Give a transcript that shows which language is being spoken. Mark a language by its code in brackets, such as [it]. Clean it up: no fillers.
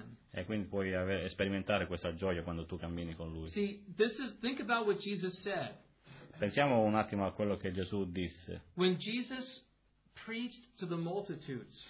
[it] E quindi puoi sperimentare questa gioia quando tu cammini con Lui. [en] See, this is, think about what Jesus said. [it] Pensiamo un attimo a quello che Gesù disse. [en] When Jesus preached to the multitudes,